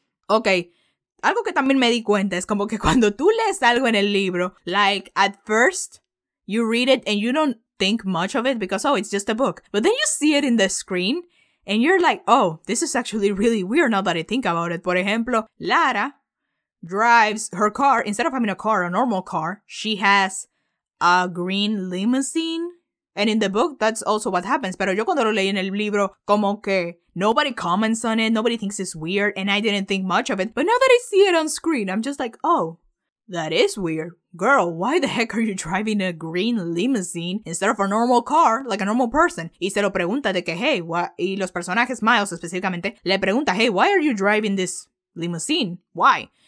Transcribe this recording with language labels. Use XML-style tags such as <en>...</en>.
<en>Okay,</en> <es>algo que también me di cuenta es como que cuando tú lees algo en el libro,</es> <en>like, at first, you read it, and you don't think much of it, because, oh, it's just a book, but then you see it in the screen, and you're like, oh, this is actually really weird now that I think about it.</en> <es>Por ejemplo,</es> <en>Lara drives her car. Instead of having a car, a normal car, she has a green limousine. And in the book, that's also what happens.</en> <es>Pero yo cuando lo leí en el libro, como que</es> <en>nobody comments on it. Nobody thinks it's weird. And I didn't think much of it. But now that I see it on screen, I'm just like, oh, that is weird. Girl, why the heck are you driving a green limousine instead of a normal car, like a normal person?</en> <es>Y se lo pregunta de que,</es> <en>hey, what?</en> <es>Y los personajes, Miles específicamente, le pregunta,</es> <en>hey, why are you driving this limousine? Why?</en>